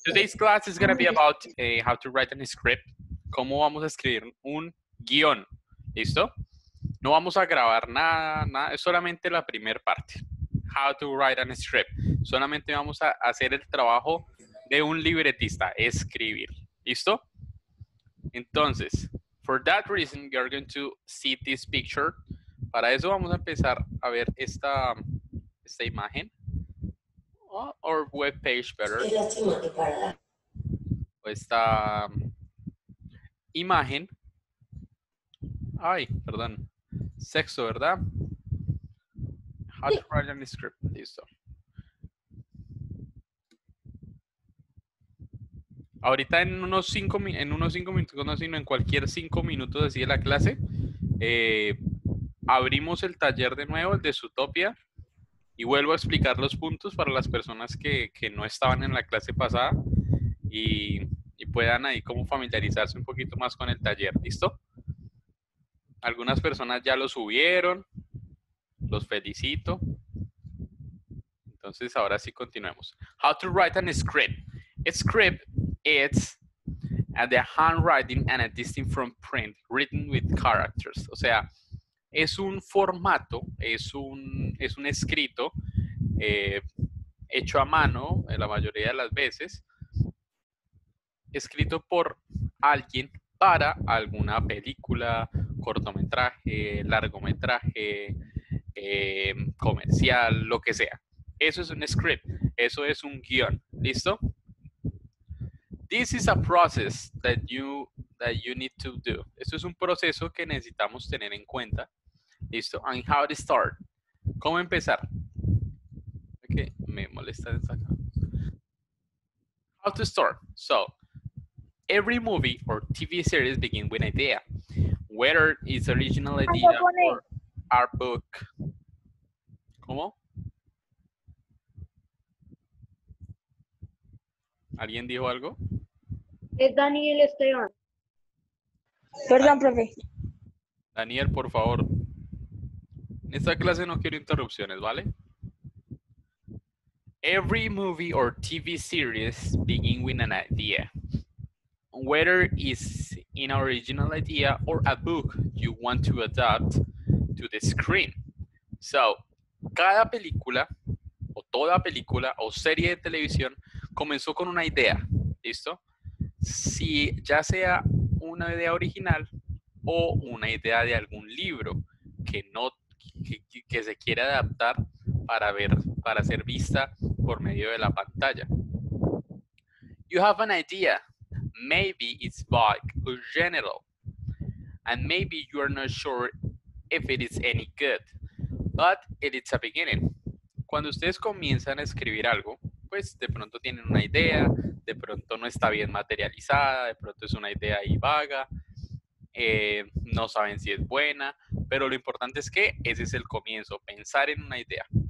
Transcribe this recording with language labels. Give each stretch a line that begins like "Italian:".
English: Today's class is going to be about how to write a script.
Spanish: ¿Cómo vamos a escribir un guión? ¿Listo? No vamos a grabar nada, es solamente la primera parte.
English: How to write a script.
Spanish: Solamente vamos a hacer el trabajo de un libretista, escribir. ¿Listo?
English: Entonces, for that reason, you are going to see this picture.
Spanish: Para eso vamos a empezar a ver esta imagen.
English: Or web page better.
Spanish: O esta imagen. Ay, perdón. Sexo, ¿verdad?
English: How to write an script.
Spanish: Listo. Ahorita en cualquier cinco minutos así de la clase, abrimos el taller de nuevo, el de Zootopia, y vuelvo a explicar los puntos para las personas que no estaban en la clase pasada y puedan ahí como familiarizarse un poquito más con el taller, ¿listo? Algunas personas ya lo subieron, los felicito. Entonces, ahora sí continuemos.
English: How to write an script. A script is the handwriting and a distinct from print, written with characters.
Spanish: O sea, es un formato, es un escrito hecho a mano la mayoría de las veces, escrito por alguien para alguna película, cortometraje, largometraje, comercial, lo que sea. Eso es un script, eso es un guión, ¿listo?
English: This is a process that you need to do.
Spanish: Esto es un proceso que necesitamos tener en cuenta.
English: Listo. And how to start.
Spanish: ¿Cómo empezar?
English: Okay.
Spanish: Me molesta esta cosa.
English: How to start. So, every movie or TV series begin with an idea. Whether it's original idea or art book. ¿Cómo?
Spanish: ¿Alguien dijo algo? Es Daniel Esteban. Perdón, profe. Daniel, por favor. En esta clase no quiero interrupciones, ¿vale?
English: Every movie or TV series begin with an idea. Whether it's an original idea or a book you want to adapt to the screen.
Spanish: So, cada película, o toda película, o serie de televisión, comenzó con una idea, ¿listo? Si ya sea una idea original o una idea de algún libro que se quiere adaptar para ser vista por medio de la pantalla.
English: You have an idea. Maybe it's vague or general. And maybe you are not sure if it is any good. But it is a beginning.
Spanish: Cuando ustedes comienzan a escribir algo, pues de pronto tienen una idea, de pronto no está bien materializada, de pronto es una idea ahí vaga, no saben si es buena, pero lo importante es que ese es el comienzo, pensar en una idea.